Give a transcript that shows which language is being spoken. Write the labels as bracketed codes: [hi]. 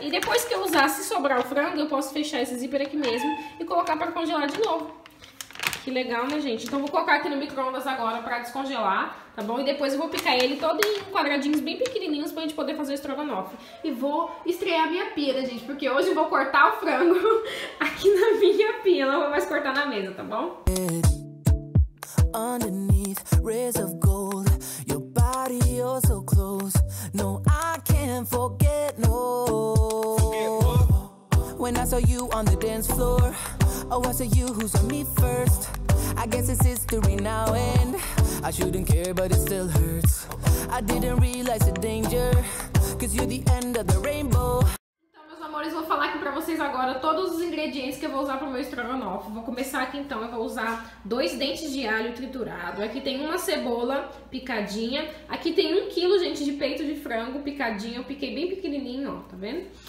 [pt] E depois que eu usar, se sobrar o frango, eu posso fechar esse zíper aqui mesmo e colocar pra congelar de novo. Que legal, né, gente? Então vou colocar aqui no micro-ondas agora pra descongelar, tá bom? E depois eu vou picar ele todo em quadradinhos bem pequenininhos pra gente poder fazer o estrogonofe. E vou estrear a minha pia, né, gente? Porque hoje eu vou cortar o frango aqui na minha pia. Não vou mais cortar na mesa, tá bom? [en] Underneath rays of gold, your body you're so close. No, I can't forget, no. When I saw you on the dance floor, oh, I saw you who saw me first. I guess it's history now and I shouldn't care, but it still hurts. I didn't realize the danger, 'cause you're the end of the rainbow. [pt] Então, meus amores, vou falar aqui pra vocês agora todos os ingredientes que eu vou usar pro meu estrogonofe. Vou começar aqui então, eu vou usar 2 dentes de alho triturado. Aqui tem 1 cebola picadinha. Aqui tem 1 quilo, gente, de peito de frango picadinho. Eu piquei bem pequenininho, ó, tá vendo?